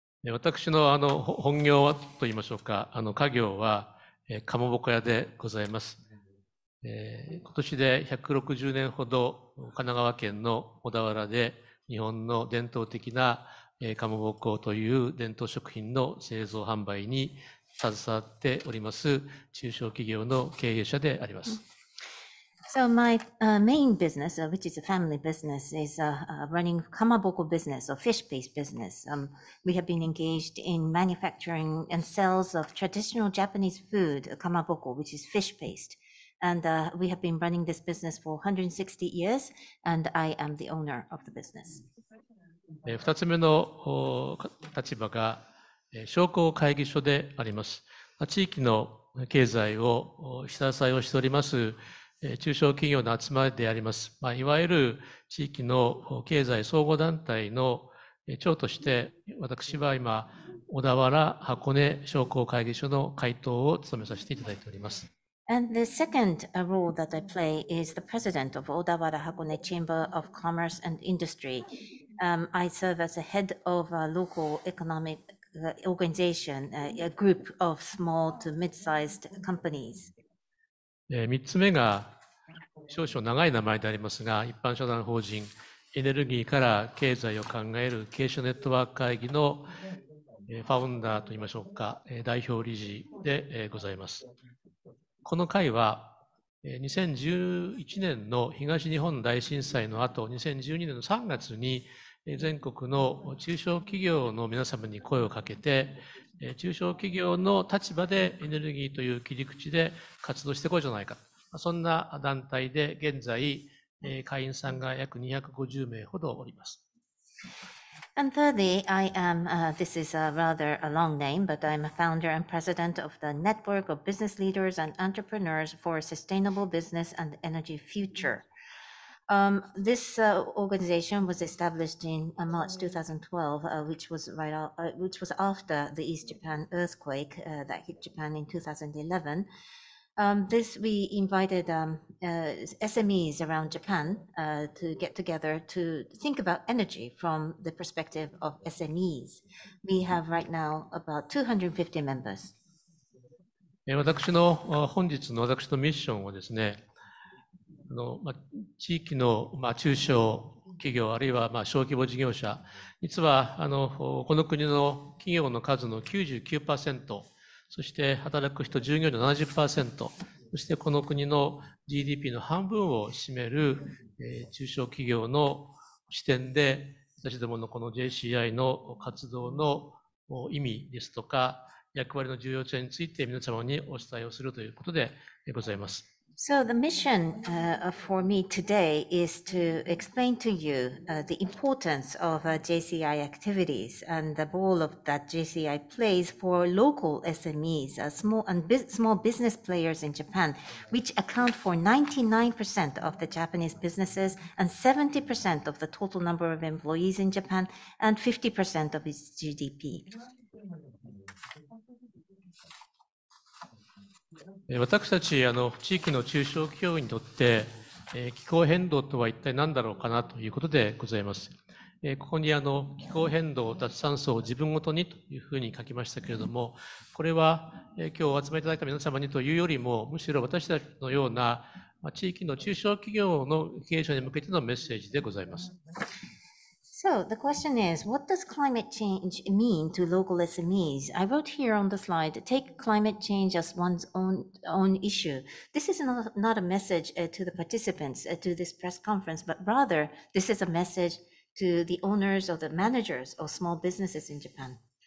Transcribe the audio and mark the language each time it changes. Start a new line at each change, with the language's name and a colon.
Japanese: 私の本業はといいましょうか、家業はかまぼこ屋でございます。今年で160年ほど神奈川県の小田原で日本の伝統的なかまぼこという伝統食品の製造販売に携わっております中小企業の経営者であります。
English: So my main business, which is a family business, is running kamaboko business or fish-based business. We have been engaged in manufacturing and sales of traditional Japanese food, kamaboko, which is fish-based. And we have been running this business for 160 years, and I am the owner of the business.
Japanese: 2つ目の立場が商工会議所であります。地域の経済を下支えをしております中小企業の集まりであります、いわゆる地域の経済総合団体の長として、私は今小田原箱根商工会議所の会頭を務めさせていただいております。
English: And the second role that I play is the president of 小田原箱根 Chamber of Commerce and Industry. I serve as a head of a local economicorganization, a group of small to mid-sized companies.
Japanese: 3つ目が少々長い名前でありますが、一般社団法人エネルギーから経済を考える経営者ネットワーク会議のファウンダーといいましょうか、代表理事でございます。この会は2011年の東日本大震災の後、2012年の3月に全国の中小企業の皆様に声をかけて、中小企業の立場でエネルギーという切り口で活動してこいじゃないか、そんな団体で現在会員さんが約250名ほどおります。
English: And thirdly, I am, this is a rather a long name, but I'm a founder and president of the Network of Business Leaders and Entrepreneurs for Sustainable Business and Energy Future. This organization was established in March 2012, which was after the East Japan earthquake that hit Japan in 2011. This we invited SMEs around Japan to get together to think about energy from the perspective of SMEs. We have right now about 250 members.
Japanese: 私の本日の私のミッションはですね、地域の中小企業あるいは小規模事業者、実はこの国の企業の数の 99%、 そして働く人従業員の 70%、 そしてこの国の GDP の半分を占める中小企業の視点で、私どものこの JCI の活動の意味ですとか役割の重要性について皆様にお伝えをするということでございます。
English: So the mission for me today is to explain to you the importance of JCI activities and the role of that JCI plays for local SMEs, small business players in Japan, which account for 99% of the Japanese businesses and 70% of the total number of employees in Japan and 50% of its GDP.
Japanese: 私たち地域の中小企業にとって気候変動とは一体何だろうかなということでございます。ここに気候変動脱炭素を自分ごとにというふうに書きましたけれども、これは今日お集まりいただいた皆様にというよりも、むしろ私たちのような地域の中小企業の経営者に向けてのメッセージでございます。
English: So the question is, what does climate change mean to local SMEs? I wrote here on the slide, take climate change as one's own issue. This is not a message to the participants to this press conference, but rather this is a message to the owners or the managers of small businesses in Japan.